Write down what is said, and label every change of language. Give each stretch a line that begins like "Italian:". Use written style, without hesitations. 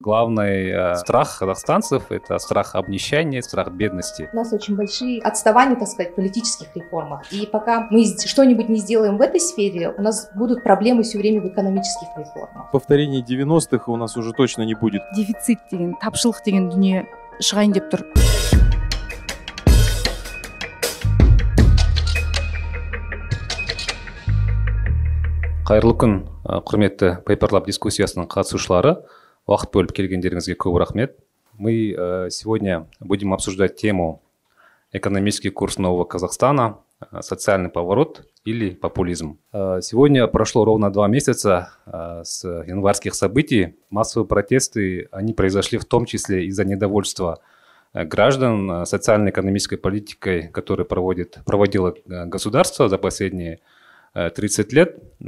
Russian: Главный страх казахстанцев – это страх обнищания, страх бедности. У нас очень большие отставания, так сказать, в политических реформах. И пока мы что-нибудь не сделаем в этой сфере, у нас будут проблемы все время в экономических реформах. Повторение 90-х у нас уже точно не будет.
Kazakh: Дефицит деген, тапшылық деген дүние шығайын деп тұр. Қайырлы күн, құрметті пейперлап дискуссиясының қатысушылары. Уақыт бөліп келгендеріңізге көп рахмет.
Russian: Мы сегодня будем обсуждать тему «Экономический курс нового Казахстана. Социальный поворот или популизм». Сегодня прошло ровно два месяца с январских событий. Массовые протесты, они произошли в том числе из-за недовольства граждан социально-экономической политикой, которую проводило государство за последние 30 лет.